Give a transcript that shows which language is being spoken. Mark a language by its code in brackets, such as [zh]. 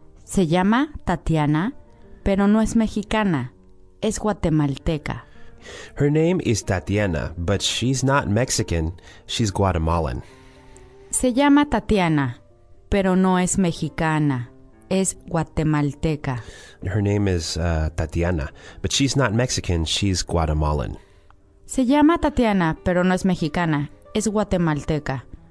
[es] Se llama Tatiana, pero no es mexicana, es guatemalteca. [en] Her name is Tatiana, but she's not Mexican, she's Guatemalan. [es] Se llama Tatiana, pero no es mexicana, es guatemalteca. [en] Her name is Tatiana, but she's not Mexican, she's Guatemalan. [es] Se llama Tatiana, pero no es mexicana, es guatemalteca.